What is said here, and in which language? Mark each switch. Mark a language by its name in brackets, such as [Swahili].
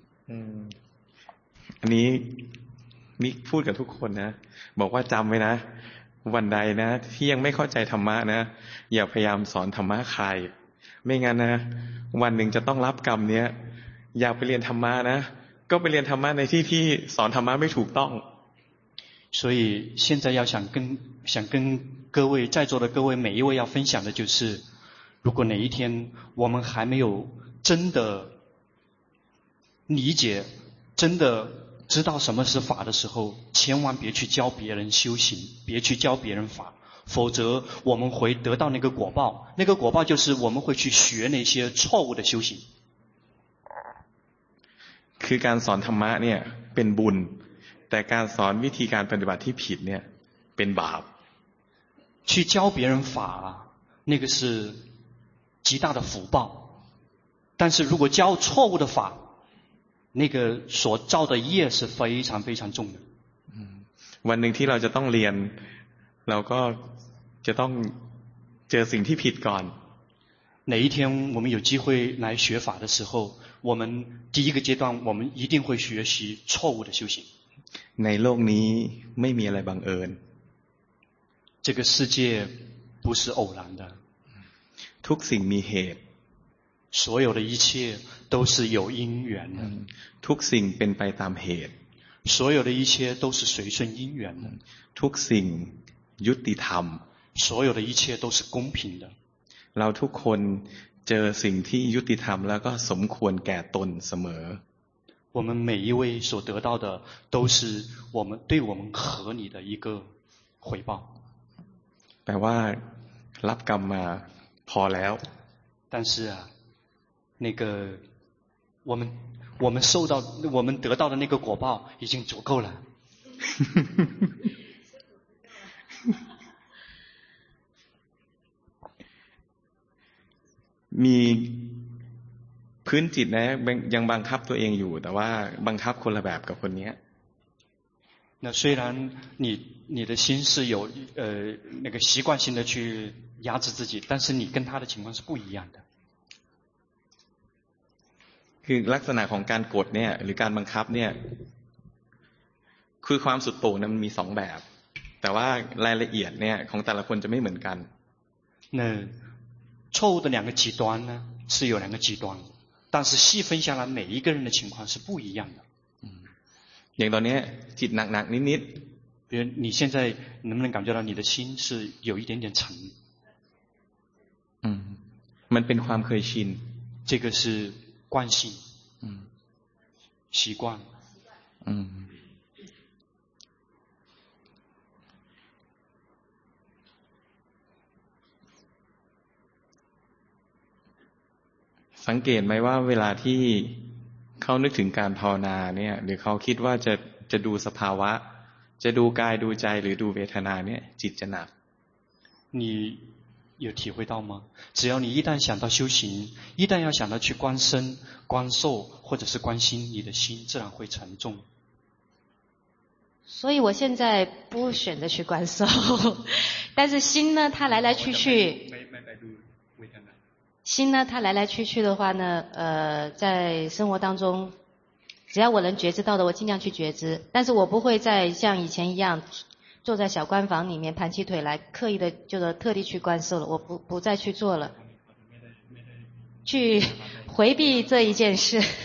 [Chinese] 嗯，你 [Thai] มิก พูดกับทุกคนนะ บอกว่าจำไว้นะ วันใดนะ ที่ยังไม่เข้าใจธรรมะนะ อย่าพยายามสอนธรรมะใครไม่งั้นนะวันหนึ่งจะต้องรับกรรมเนี้ยอยากไปเรียนธรรมะนะก็ไปเรียนธรรมะในที่ที่สอนธรรมะไม่ถูกต้อง [Chinese] 所以现在要想跟各位在座的各位每一位要分享的就是如果哪一天我们还没有真的理解真的知道什么是法的时候千万别去教别人修行别去教别人法否则我们会得到那个果报那个果报就是我们会去学那些错误的修行 [Thai] คือการสอนธรรมะเนี่ยเป็นบุญแต่การสอนวิธีการปฏิบัติที่ผิดเนี่ยเป็นบาป [Chinese] 去教别人法那个是极大的福报但是如果教错误的法那个所造的业是非常非常重的 [Thai] วันหนึ่งที่เราจะต้องเรียนเราก็จะต้องเจอสิ่งที่ผิดก่อน [Chinese] 哪一天我们有机会来学法的时候我们第一个阶段我们一定会学习错误的修行 [Thai] ในโลกนี้ไม่มีอะไรบังเอิญ [Chinese] 这个世界不是偶然的 [Thai] ทุกสิ่งมีเหตุ [Chinese] 所有的一切都是有因缘的 [Thai] ทุกสิ่งเป็นไปตามเหตุ [Chinese] 所有的一切都是随顺因缘的 [Thai] ทุกสิ่งยุติธรรม [Chinese] 所有的一切都是公平的 [Thai] เราทุกคนเจอสิ่งที่ยุติธรรมแล้วก็สมควรแก่ตนเสม [Chinese] อ我们每一位所得到的都是我们对我们合理的一个回报 [Thai] แปลว่ารับกรรมมาพอแล้ว [Chinese] 但是啊那个我们受到我们得到的那个果报已经足够了 [Thai] มีพื้นจิตนะยังบังคับตัวเองอยู่แต่ว่าบังคับคนละแบบกับคนเนี้ย [Chinese] 那虽然你的心是有那个习惯性的去压制自己但是你跟他的情况是不一样的 [Thai] คือลักษณะของการกดเนี่ยหรือการบังคับเนี่ยคือความสุดโต่งมันมี2แบบแต่ว่ารายละเอียดเนี่ยของแต่ละคนจะไม่เหมือนกัน [Chinese] 那错误的两个极端呢是有两个极端但是细分下来每一个人的情况是不一样的 [Thai] อย่างตอนนี้จิตหนักๆนิด [Chinese] ๆ比如你现在能不能感觉到你的心是有一点点沉 [Thai] มันเป็นความเคยชิน [Chinese] 这个是惯性习惯 [Thai] สังเกตไหมว่าเวลาที่เขานึกถึงการภาวนาเนี่ยหรือเขาคิดว่าจะดูสภาวะจะดูกายดูใจหรือดูเวทนาเนี่ยจิตจะหนัก [Chinese] 你有体会到吗只要你一旦想到修行一旦要想到去观身观受或者是观心你的心自然会沉重所以我现在不选择去观受但是心呢它来来去去心呢它来来去去的话呢在生活当中只要我能觉知到的我尽量去觉知但是我不会再像以前一样坐在小观房里面盘起腿来刻意的就是特地去观受了我不再去做了去回避这一件事